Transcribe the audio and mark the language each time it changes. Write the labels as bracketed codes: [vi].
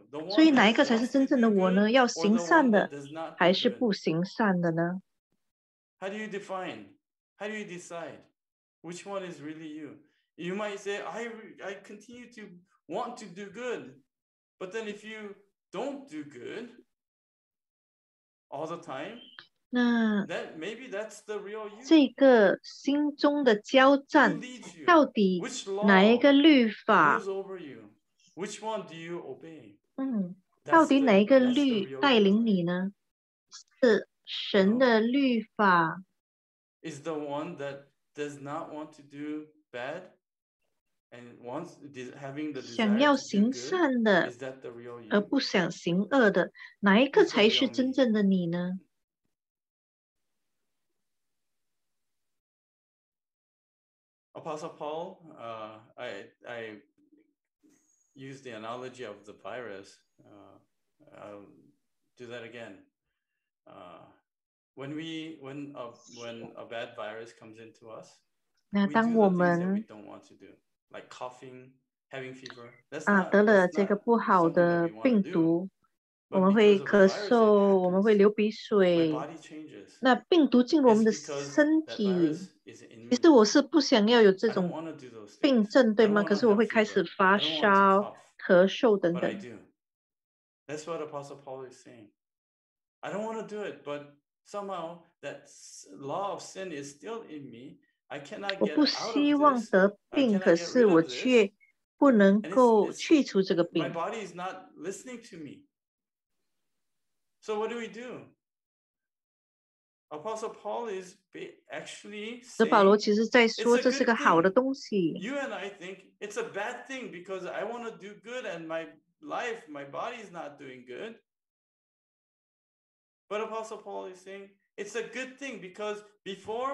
[zh] 所以哪一个才是真正的我呢？要行善的，还是不行善的呢？ [en] How do you define? How do you decide which one is really you? You might say, I continue to want to do good. But then if you don't do good all the time, 那 that, maybe that's the real you. [zh] 这个心中的交战到底哪一个律法 [en] rules over you? Which one do you obey? [zh] 到底哪一个律带领你呢？是神的律法 [en] is the one that does not want to do bad, And once having the desire, [zh] 想要行善的 [en] is that the real you? [zh] 而不想行恶的，哪一个才是真正的你呢？ [en] Apostle Paul, I use the analogy of the virus. I'll do that again. When a bad virus comes into us, we do the things that we don't want to do, like coughing, having fever. That's not, [zh] 得了这个不好的病毒，我们会咳嗽，我们会流鼻水。那病毒进入我们的身体，其实我是不想要有这种病症，对吗？可是我会开始发烧、咳嗽等等。 [en] That's what Apostle Paul is saying. I don't want to do it, but somehow that law of sin is still in me. I cannot get out of this. [zh] 我不希望得病，可是我却不能够去除这个病。 [en] My body is not listening to me. So what do we do? Apostle Paul is actually saying, [zh] 保罗其实在说这是个好的东西。 [en] You and I think it's a bad thing because I want to do good and my life, my body is not doing good. But Apostle Paul is saying, it's a good thing because before,